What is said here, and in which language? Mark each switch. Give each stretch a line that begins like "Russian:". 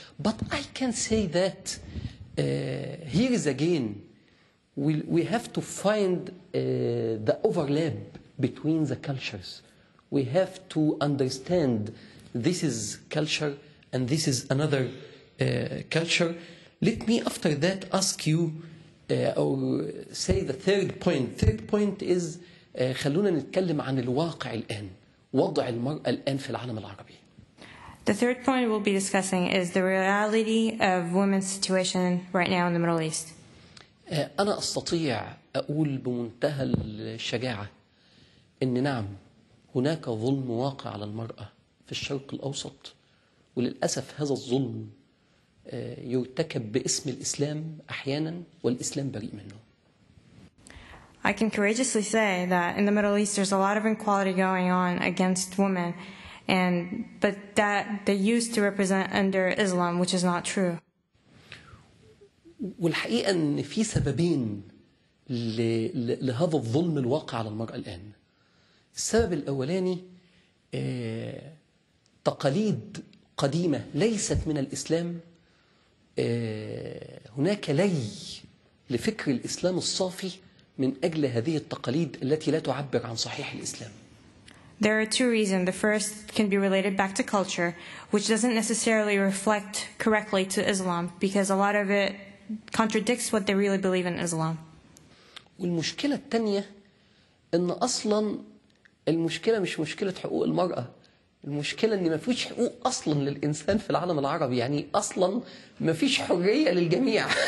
English: But I can say that here is again we have to find the overlap between the cultures. We have to understand this is culture and this is another culture. Let me after that ask you or say the third point. Third point is
Arabic: خلونا نتكلم عن الواقع الآن. وضع المرأة الآن في العالم العربي.
English: The third point we'll be discussing is the reality of women's situation right now in the Middle East.
Arabic: أنا أستطيع أقول بمنتهى الشجاعة إن نعم هناك ظلم واقع على المرأة في الشرق الأوسط وللأسف هذا الظلم يرتكب باسم الإسلام أحيانا والإسلام بريء منه. I can courageously say that in the Middle East there's a lot of inequality going on against women and but that they used to represent under Islam which is not true. والحقيقة ان في سببين لهذا الظلم الواقع على المرأة الآن. السبب الأولاني تقاليد قديمة ليست من الإسلام. هناك لي لفكر الإسلام الصافي من أجل هذه التقاليد التي لا تعبر عن صحيح الإسلام.
English: There are two reasons. The first can be related back to culture, which doesn't necessarily reflect correctly to Islam because a lot of it contradicts what they really believe in Islam.
Arabic: والمشكلة الثانية إن أصلاً المشكلة مش مشكلة حقوق المرأة. المشكلة إن ما فيش حقوق أصلاً للإنسان في العالم العربي. يعني أصلاً ما فيش حرية للجميع.